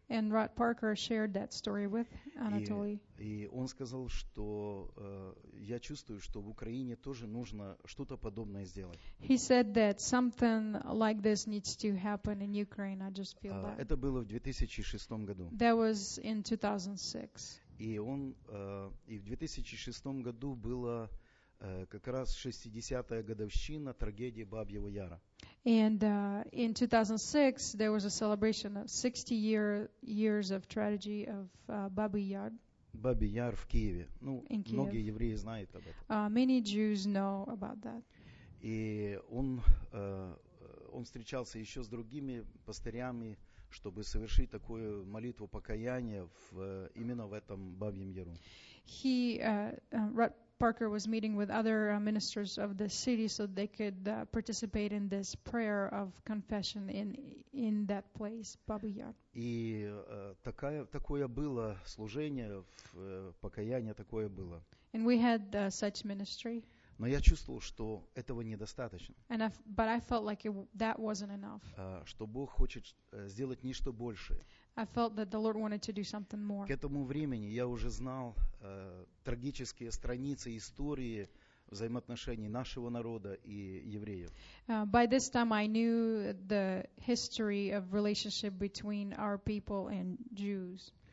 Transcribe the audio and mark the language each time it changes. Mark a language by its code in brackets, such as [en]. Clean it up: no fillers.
[en] And Rod Parker shared that story with Anatoly. [ru] И он сказал, что я чувствую, что в Украине тоже нужно что-то подобное сделать. [en] He said that something like this needs to happen in Ukraine. I just feel that. [ru] Это было в 2006 году. [en] That was in 2006. [ru] И он и в 2006 году было как раз 60-я годовщина трагедии Бабьего Яра. [en] And in 2006, there was a celebration of 60 years of tragedy of Babi Yar. [ru] Babi Yar в Киеве. Ну, [en] in Kiev. [ru] Многие евреи знают об этом. [en] Many Jews know about that. [ru] И он встречался еще с другими пастырями, чтобы совершить такую молитву покаяния именно в этом Бабьем Яру. [en] Parker was meeting with other ministers of the city so they could participate in this prayer of confession in that place, Babi Yar. [ru] И такое было служение, покаяние такое было. [en] And we had such ministry. [ru] Но я чувствовал, что этого недостаточно. [en] But I felt like that wasn't enough. [ru] Что Бог хочет сделать нечто большее. [en] I felt that the Lord wanted to do something more. [ru] К этому времени я уже знал трагические страницы истории взаимоотношений нашего народа и евреев. [en] By this time I knew the history of relationship between our people and Jews.